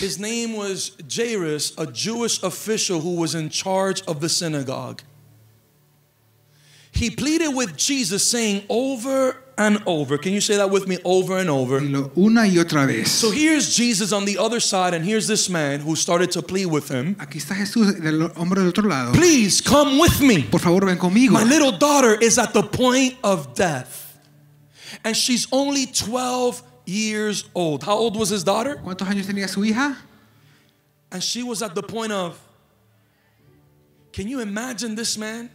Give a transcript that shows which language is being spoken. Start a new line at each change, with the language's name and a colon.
English: His name was Jairus, a Jewish official who was in charge of the synagogue. He pleaded with Jesus, saying over and over. Can you say that with me? Over and over.
Spanish: Una y otra vez.
English: So here's Jesus on the other side, and here's this man who started to plead with him.
Spanish: Aquí está Jesús, el hombre del otro lado.
English: Please come with me.
Spanish: Por favor, ven conmigo.
English: My little daughter is at the point of death, and she's only 12 years old. How old was his daughter?
Spanish: ¿Cuántos años tenía su hija?
English: And she was at the point of. Can you imagine this man?